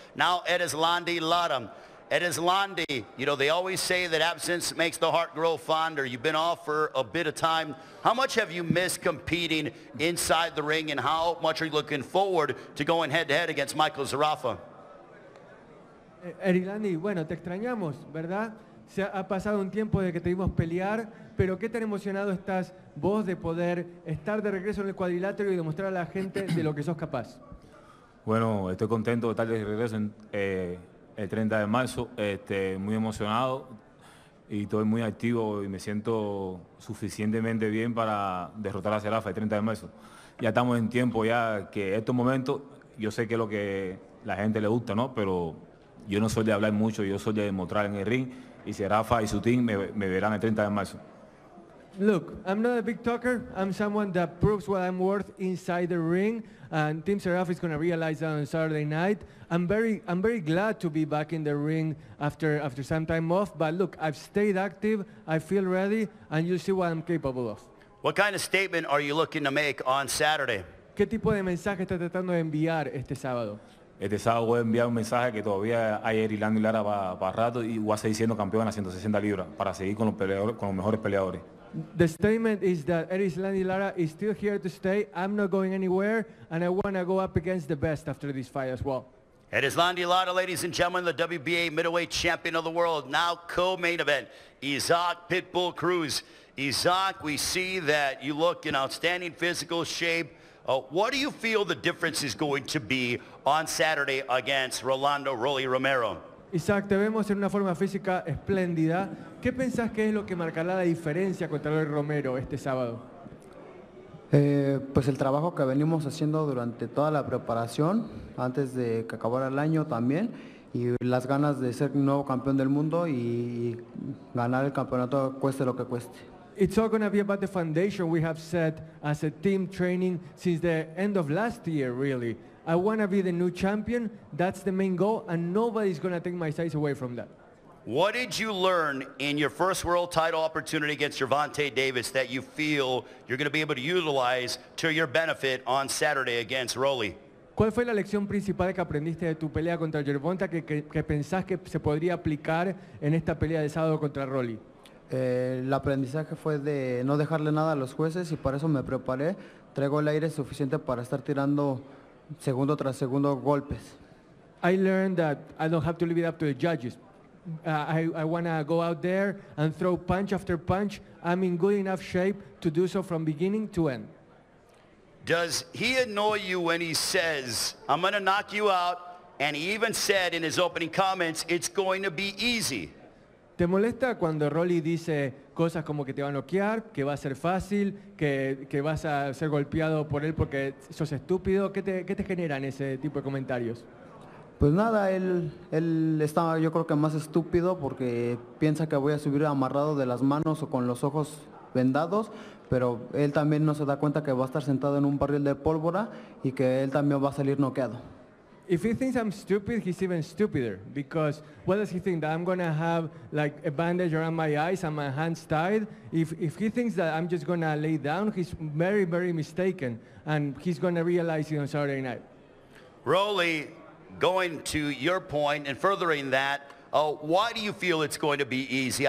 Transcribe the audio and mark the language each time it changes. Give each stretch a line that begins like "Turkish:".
English: Now, Edislandi Ladam. Edislandi, you know, they always say that absence makes the heart grow fonder. You've been off for a bit of time. How much have you missed competing inside the ring, and how much are you looking forward to going head-to-head against Michael Zaroff?
Spanish: Edislandi, bueno, te extrañamos, ¿verdad? Se ha pasado un tiempo de que te vimos pelear, pero qué tan emocionado estás vos de poder estar de regreso en el cuadrilátero y demostrar a la gente de lo que sos capaz. Bueno, estoy contento de estar de regreso en, el 30 de marzo, muy emocionado y estoy muy activo y me siento suficientemente bien para derrotar a Zaroff el 30 de marzo. Ya estamos en tiempo ya que estos momentos, yo sé que es lo que la gente le gusta, ¿no? Pero yo no soy de hablar mucho, yo soy de demostrar en el ring. Y si Rafa y su team me verán el 30 de marzo.
English: Look, I'm not a big talker. I'm someone that proves what I'm worth inside the ring. And Team Zaroff is going to realize that on Saturday night. I'm very glad to be back in the ring after some time off. But look, I've stayed active. I feel ready. And you'll see what I'm capable of. What kind of statement are you looking to make on Saturday?
Spanish: ¿Qué tipo de mensaje está tratando de enviar este sábado? Este sábado voy a enviar un mensaje que todavía hay Edislandi Lara para rato y voy a seguir siendo campeón a 160 libras para seguir con los peleadores, con los mejores peleadores.
English: The statement is that Edislandi Lara is still here to stay. I'm not going anywhere and I want to go up against the best after this fight as well. Edislandi Lara, ladies and gentlemen, the WBA middleweight champion of the world, now co-main event, Isaac Pitbull Cruz. Isaac, we see that you look in outstanding physical shape. What do you feel the difference is going to be on Saturday against Rolando Rolly Romero?
Spanish: Isaac, te vemos en una forma física espléndida. ¿Qué pensás que es lo que marcará la diferencia contra Rolly Romero este sábado? Pues el trabajo que venimos haciendo durante toda la preparación, antes de que acabara el año también, y las ganas de ser nuevo campeón del mundo y ganar el campeonato cueste lo que cueste.
English: It's all going to be about the foundation we have set as a team training since the end of last year, really. I want to be the new champion. That's the main goal, and nobody's going to take my size away from that. What did you learn in your first world title opportunity against Gervonta Davis that you feel you're going to be able to utilize to your benefit on Saturday against Rolly?
Spanish: ¿Cuál fue la lección principal que aprendiste de tu pelea contra Gervonta que pensás que se podría aplicar en esta pelea de sábado contra Rolly? El aprendizaje fue de no dejarle nada a los jueces y para eso me preparé. Traigo el aire suficiente para estar tirando segundo tras segundo golpes.
English: I learned that I don't have to leave it up to the judges. I want to go out there and throw punch after punch. I'm in good enough shape to do so from beginning to end. Does he annoy you when he says, I'm going to knock you out, and he even said in his opening comments, it's going to be easy?
Spanish: ¿Te molesta cuando Rolly dice cosas como que te va a noquear, que va a ser fácil, que vas a ser golpeado por él porque sos estúpido? ¿Qué te generan ese tipo de comentarios? Pues nada, él está, yo creo que más estúpido porque piensa que voy a subir amarrado de las manos o con los ojos vendados, pero él también no se da cuenta que va a estar sentado en un barril de pólvora y que él también va a salir noqueado.
English: If he thinks I'm stupid, he's even stupider, because what does he think, that I'm going to have like a bandage around my eyes and my hands tied? If he thinks that I'm just going to lay down, he's very, very mistaken, and he's going to realize it on Saturday night. Rolly, going to your point and furthering that, why do you feel it's going to be easy?